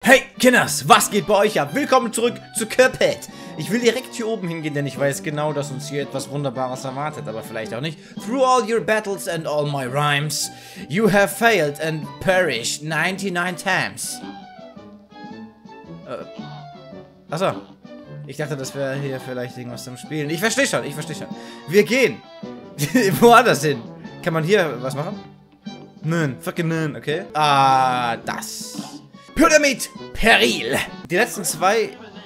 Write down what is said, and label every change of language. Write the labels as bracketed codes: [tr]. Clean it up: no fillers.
[de] Hey, Kinders, was geht bei euch ab? Willkommen zurück zu Cuphead. Ich will direkt hier oben hingehen, denn ich weiß genau, dass uns hier etwas Wunderbares erwartet, aber vielleicht auch nicht. [en] Through all your battles and all my rhymes, you have failed and perished 99 times. [de] Achso. Ich dachte, das wäre hier vielleicht irgendwas zum Spielen. Ich verstehe schon. Wir gehen. Woanders hin. Kann man hier was machen? Nein, fucking nein, okay. Das. Pyramid Peril. Die letzten zwei...